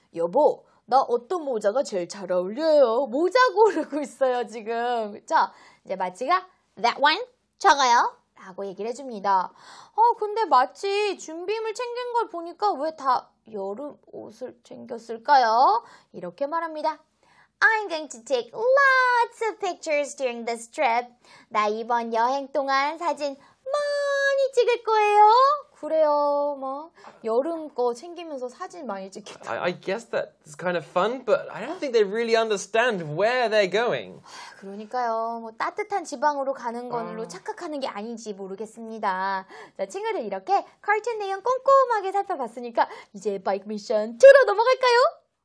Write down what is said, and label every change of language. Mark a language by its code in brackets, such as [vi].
[ko] 여보, 나 어떤 모자가 제일 잘 어울려요? 모자 고르고 있어요, 지금. 자, 이제 마치가 [en] That one? [ko] 저거요. 라고 얘기를 해줍니다. 근데 마치 준비물 챙긴 걸 보니까 왜 다 여름 옷을 챙겼을까요? 이렇게 말합니다. [en] I'm going to take lots of pictures during this trip. [ko] 나 이번 여행 동안 사진 많이 찍을 거예요. 그래요, 뭐 여름 거 챙기면서 사진 많이 찍겠다. [en] I guess that's kind of fun, but I don't think they really understand where they're going. [ko] 그러니까요, 뭐 따뜻한 지방으로 가는 걸로 착각하는 게 아닌지 모르겠습니다. 자, 친구들 이렇게 컬튼 내용 꼼꼼하게 살펴봤으니까 이제 바이크 미션 2로 넘어갈까요?